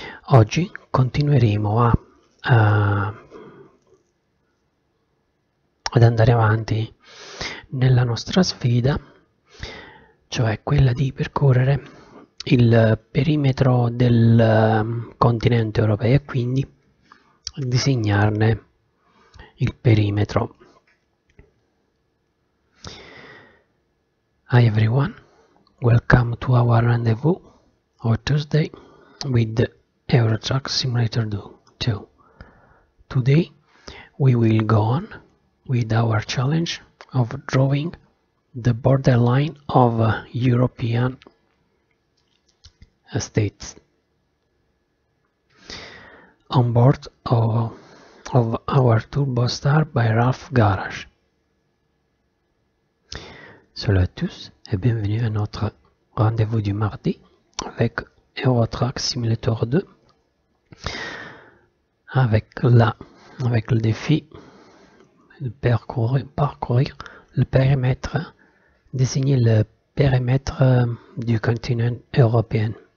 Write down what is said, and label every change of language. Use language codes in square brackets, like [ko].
[it] Oggi continueremo ad andare avanti nella nostra sfida, cioè quella di percorrere il perimetro del continente europeo e quindi disegnarne il perimetro. [en] Hi everyone, welcome to our rendezvous on Tuesday with Eurotruck Simulator 2. Today we will go on with our challenge of drawing the borderline of European States. On board of our Turbostar by Rough Garage. [fr] Salut à tous et bienvenue à notre rendez-vous du mardi avec Eurotruck Simulator 2 avec le défi de parcourir le périmètre, désigner le périmètre du continent européen.